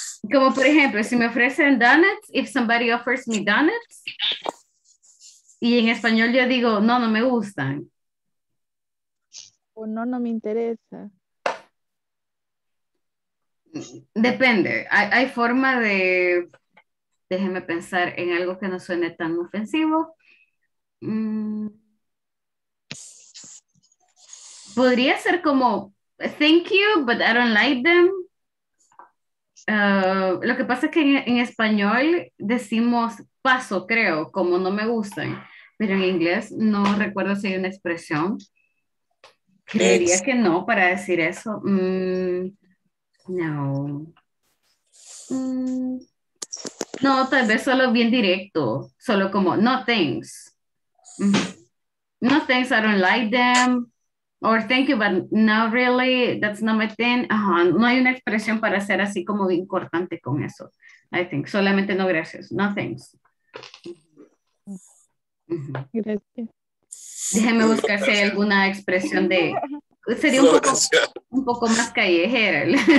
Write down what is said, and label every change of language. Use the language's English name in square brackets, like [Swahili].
[Spanish] Como por ejemplo, si me ofrecen donuts, [English] if somebody offers me donuts, [Spanish] y en español yo digo, no, no me gustan. O no, no me interesa. Depende. Hay forma de, déjeme pensar en algo que no suene tan ofensivo. Podría ser como, [English] thank you, but I don't like them. [Spanish] Lo que pasa es que en español decimos paso, creo, como no me gustan. Pero en inglés no recuerdo si hay una expresión. Creería que no para decir eso. No. No, tal vez solo bien directo. Solo como, [English] no thanks. No thanks, I don't like them. Or thank you, but not really, that's not my thing. [Spanish] No hay una expresión para ser así como importante con eso. [English] I think, [Spanish] solamente no gracias, [English] no thanks. [Spanish] Gracias. Déjeme buscar si hay alguna expresión de... Sería un poco más callejero.